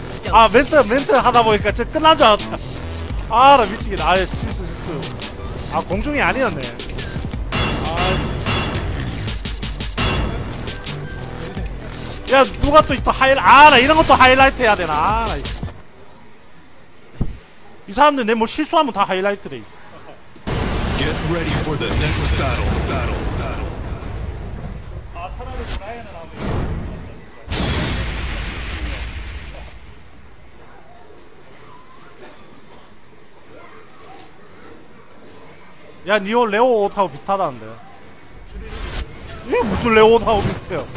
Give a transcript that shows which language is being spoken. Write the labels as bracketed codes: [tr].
[ko] 아, 멘트 하다 보니까 저 끝난 줄 알았다. 아, 나 미치겠네. 아, 실수. 아, 공중이 아니었네. 야, 누가 또 하이라이트, 아, 나 이런 것도 하이라이트 해야 되나? 아, 이 사람들 내 뭐 실수하면 다 하이라이트래. [en] Get ready for the next battle. [ko] 아, 차라리 브라이언을 하면. 야, 니오 레오 옷하고 비슷하다는데. 이게 무슨 레오 옷하고 비슷해요?